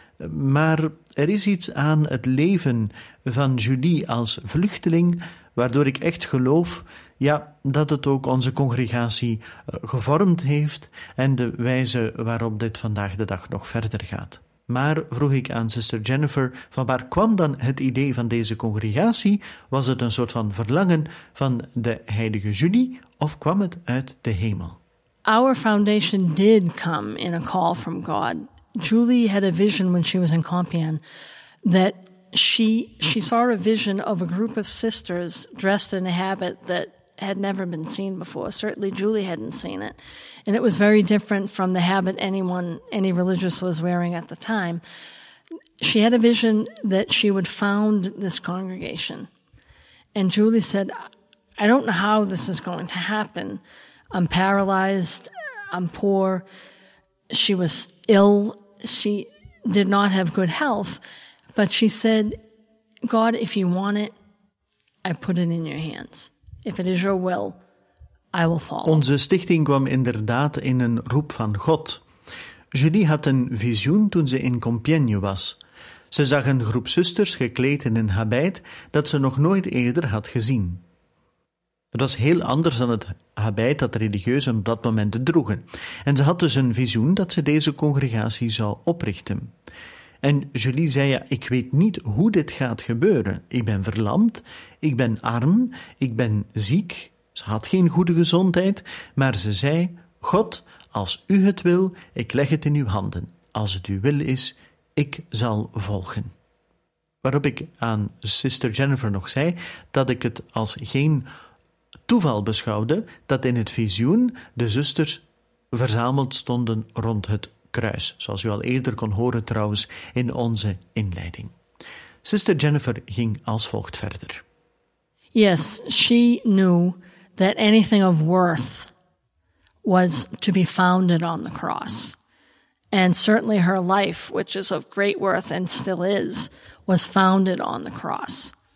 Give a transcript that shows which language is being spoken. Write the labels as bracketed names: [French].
[Dutch] Maar er is iets aan het leven van Julie als vluchteling, waardoor ik echt geloof, ja, dat het ook onze congregatie gevormd heeft en de wijze waarop dit vandaag de dag nog verder gaat. Maar vroeg ik aan zuster Jennifer, van waar kwam dan het idee van deze congregatie? Was het een soort van verlangen van de heilige Julie of kwam het uit de hemel? [English] Our foundation did come in a call from God. Julie had a vision when she was in Compiègne that she saw a vision of a group of sisters dressed in a habit that had never been seen before. Certainly Julie hadn't seen it. And it was very different from the habit any religious was wearing at the time. She had a vision that she would found this congregation. And Julie said, I don't know how this is going to happen. I'm paralyzed. I'm poor. She was ill. She did not have good health, but she said, God, if you want it, I put it in your hands. If it is your will, I will follow. [Dutch] Onze stichting kwam inderdaad in een roep van God. Julie had een visioen toen ze in Compiègne was. Ze zag een groep zusters gekleed in een habit dat ze nog nooit eerder had gezien. Het was heel anders dan het habit dat de religieuzen op dat moment droegen. En ze had dus een visioen dat ze deze congregatie zou oprichten. En Julie zei, ja, ik weet niet hoe dit gaat gebeuren. Ik ben verlamd, ik ben arm, ik ben ziek. Ze had geen goede gezondheid, maar ze zei, God, als u het wil, ik leg het in uw handen. Als het uw wil is, ik zal volgen. waarop ik aan Sister Jennifer nog zei dat ik het als geen toeval beschouwde dat in het visioen de zusters verzameld stonden rond het kruis, zoals u al eerder kon horen trouwens in onze inleiding. Sister Jennifer ging als volgt verder. [English] Yes, she knew that anything of worth was to be founded on the cross. And certainly her life, which is of great worth and still is, was founded on the cross.